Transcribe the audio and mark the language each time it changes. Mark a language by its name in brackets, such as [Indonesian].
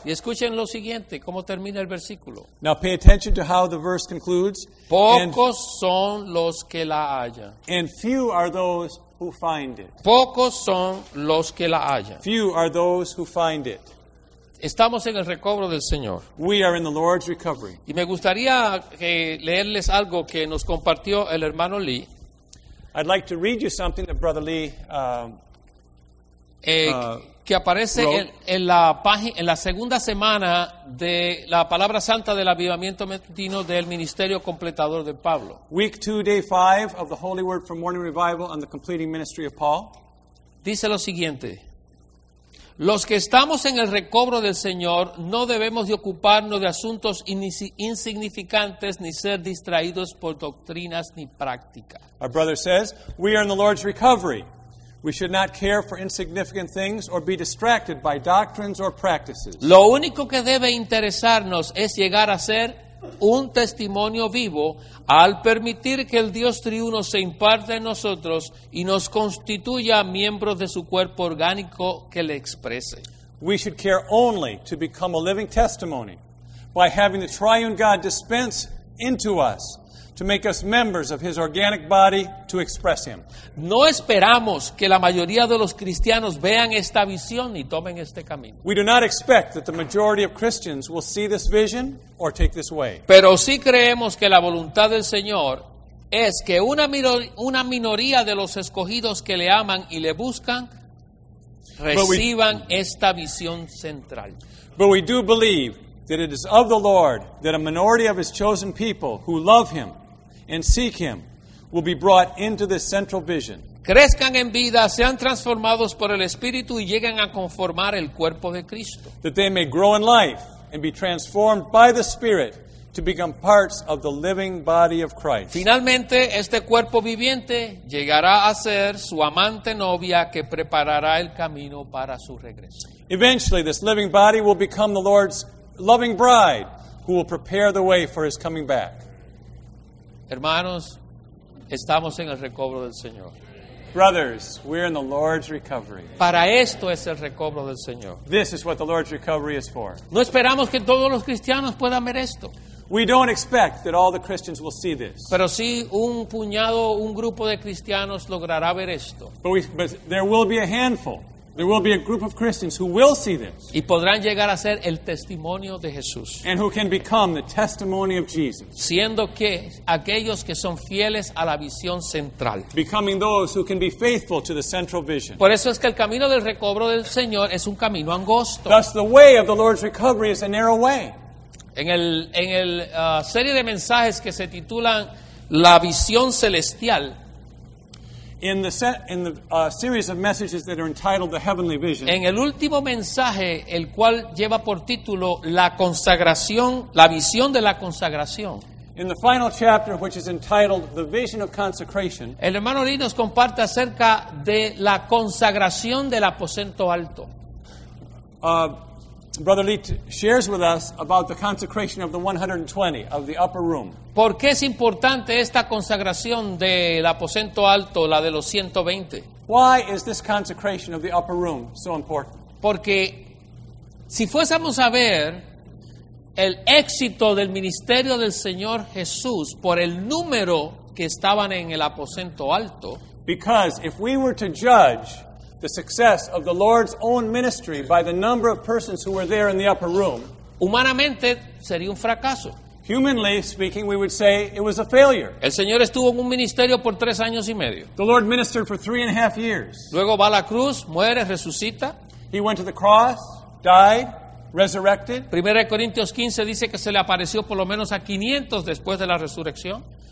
[Spanish] Y escuchen lo siguiente, cómo termina el versículo. [English] Now pay attention to how the verse concludes. [Spanish] Pocos son los que la hallan. [English] And few are those who find it. [Spanish] Pocos son los que la hallan. [English] Few are those who find it. [Spanish] Estamos en el recobro del Señor. [English] We are in the Lord's recovery. [Spanish] Y me gustaría leerles algo que nos compartió el hermano Lee. [English] I'd like to read you something that Brother Lee [Spanish] que aparece [English] wrote. [Spanish] En la página en la segunda semana de la palabra santa del avivamiento metropolitano del ministerio completador de Pablo. [English] Week 2, day 5 of the Holy Word for Morning Revival on the completing ministry of Paul. [Spanish] Dice lo siguiente: los que estamos en el recobro del Señor no debemos de ocuparnos de asuntos insignificantes ni ser distraídos por doctrinas ni práctica. [English] Our brother says, we are in the Lord's recovery. We should not care for insignificant things or be distracted by doctrines or practices. [Spanish] Lo único que debe interesarnos es llegar a ser un testimonio vivo al permitir que el Dios triuno se imparte en nosotros y nos constituya miembros de su cuerpo orgánico que le exprese. [English] We should care only to become a living testimony by having the triune God dispense into us to make us members of his organic body to express him. [Spanish] No esperamos que la mayoría de los cristianos vean esta visión y tomen este camino. [English] We do not expect that the majority of Christians will see this vision or take this way. [Spanish] Pero sí creemos que la voluntad del Señor es que una minoría de los escogidos que le aman y le buscan reciban esta visión central. [English] But we do believe that it is of the Lord that a minority of his chosen people who love him and seek him will be brought into this central vision. [Spanish] Crezcan en vida, sean transformados por el Espíritu y lleguen a conformar el cuerpo de Cristo. [English] That they may grow in life and be transformed by the Spirit to become parts of the living body of Christ. [Spanish] Finalmente, este cuerpo viviente llegará a ser su amante novia que preparará el camino para su regreso. [English] Eventually, this living body will become the Lord's loving bride who will prepare the way for his coming back. [Spanish] Hermanos, estamos en el recobro del Señor. [English] Brothers, we're in the Lord's recovery. [Spanish] Para esto es el recobro del Señor. [English] This is what the Lord's recovery is for. [Spanish] No esperamos que todos los cristianos puedan ver esto. [English] We don't expect that all the Christians will see this. [Spanish] Pero sí, un grupo de cristianos logrará ver esto. [English] But there will be a handful. There will be a group of Christians who will see this. [Spanish] Y podrán llegar a ser el testimonio de Jesús. [English] And who can become the testimony of Jesus. [Spanish] Siendo que aquellos que son fieles a la visión central. [English] Becoming those who can be faithful to the central vision. [Spanish] Por eso es que el camino del recobro del Señor es un camino angosto. [English] Thus the way of the Lord's recovery is a narrow way. [Spanish] En el serie de mensajes que se titulan La Visión Celestial. [English] In the series of messages that are entitled The Heavenly Vision. [Spanish] En el último mensaje, el cual lleva por título La Consagración, la visión de la consagración. [English] In the final chapter, which is entitled The Vision of Consecration. [Spanish] El hermano Lee nos comparte acerca de la consagración del aposento alto. [English] Brother Lee shares with us about the consecration of the 120 of the upper room. [Spanish] ¿Por qué es importante esta consagración del aposento alto, la de los 120? [English] Why is this consecration of the upper room so important? [Spanish] Porque si fuésemos a ver el éxito del ministerio del Señor Jesús por el número que estaban en el aposento alto. [English] Because if we were to judge the success of the Lord's own ministry by the number of persons who were there in the upper room. [Spanish] Humanamente, sería un fracaso. [English] Humanly speaking, we would say it was a failure. [Spanish] El Señor estuvo en un ministerio por 3 años y medio. [English] The Lord ministered for 3.5 years. [Spanish] Luego va a la cruz, muere, resucita. [English] He went to the cross, died, resurrected. [Spanish] 1 Corintios 15 dice que se le apareció por lo menos a 500 después de la resurrección.